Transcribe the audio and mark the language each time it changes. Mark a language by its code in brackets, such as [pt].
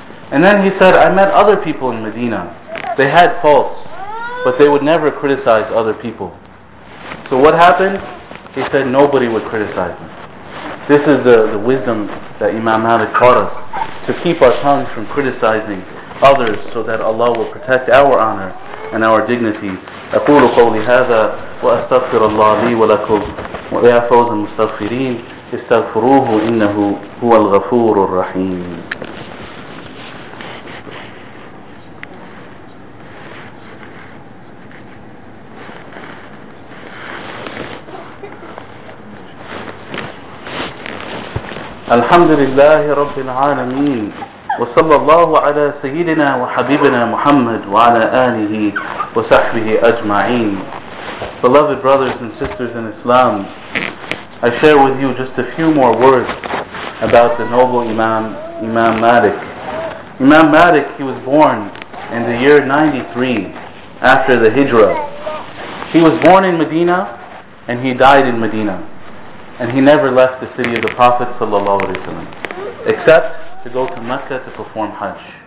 [en] And then he said, I met other people in Medina, they had faults, but they would never criticize other people. So what happened? He said, nobody would criticize them. This is the wisdom that Imam Malik taught us, to keep our tongues from criticizing others so that Allah will protect our honor and our dignity. [ar] أقول قولي هذا وأستغفر الله لي ولكم ويا فوز المستغفرين استغفروه إنه هو الغفور الرحيم. الحمد لله رب العالمين وصلى الله على سيدنا وحبيبنا محمد وعلى آله وصحبه أجمعين. [en] Beloved brothers and sisters in Islam, I share with you just a few more words about the noble Imam, Imam Malik. Imam Malik, he was born in the year 93 after the Hijra. He was born in Medina and he died in Medina. And he never left the city of the Prophet ﷺ, except to go to Mecca to perform Hajj.